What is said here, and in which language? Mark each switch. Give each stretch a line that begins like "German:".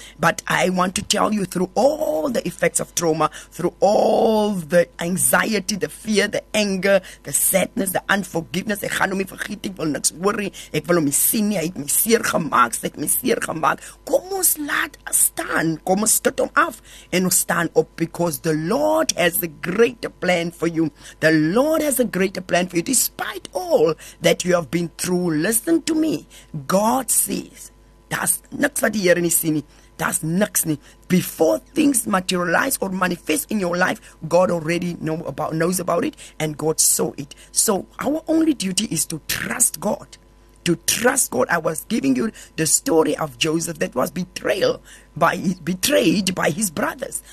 English: But I want to tell you, through all the effects of trauma, through all the anxiety, the fear, the anger, the sadness, the unforgiveness,
Afrikaans: ek gaan hom nie vergeet, ek wil niks worry, ek wil hom nie sien nie, hy het my seer gemaak, sy het my seer gemaak, kom ons laat staan. Kom ons stut hom af en ons staan op,
English: because the Lord has a greater plan for you. The Lord has a greater plan for you, despite all that you have been through. Listen to me. God says,
Afrikaans: daar's niks wat die Here nie sien nie. Daar's niks nie.
English: Before things materialize or manifest in your life, God already knows about it and God saw it. So our only duty is to trust God. To trust God. I was giving you the story of Joseph that was betrayed by his brothers.